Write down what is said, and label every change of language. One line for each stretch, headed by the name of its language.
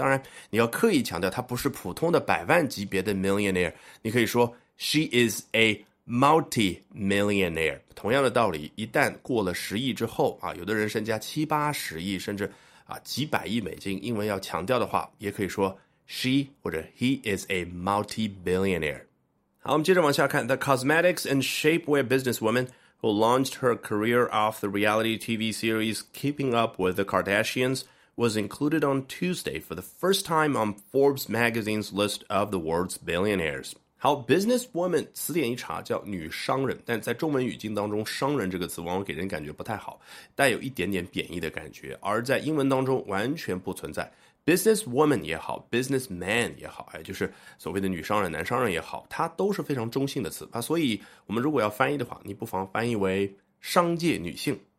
Chinese: 当然你要刻意强调他不是普通的百万级别的 millionaire, 你可以说
English: she is a multi-millionaire。
Chinese: 同样的道理，一旦过了10亿之后啊，有的人身家70-80亿，甚至啊，几百亿美金，英文要强调的话也可以说 she 或者
English: he is a multi-billionaire。
Chinese: 好，我们接着往下看
English: The cosmetics and shapewear businesswoman who launched her career off the reality TV series Keeping Up with the Kardashians was included on Tuesday for the first time on Forbes magazine's list of the world's billionaires。
Chinese: 好， businesswoman 词典一查叫女商人，但在中文语境当中商人这个词往往给人感觉不太好，带有一点点贬义的感觉，而在英文当中完全不存在。 businesswoman 也好， businessman 也好，就是所谓的女商人男商人也好，它都是非常中性的词，所以我们如果要翻译的话，你不妨翻译为商界女性。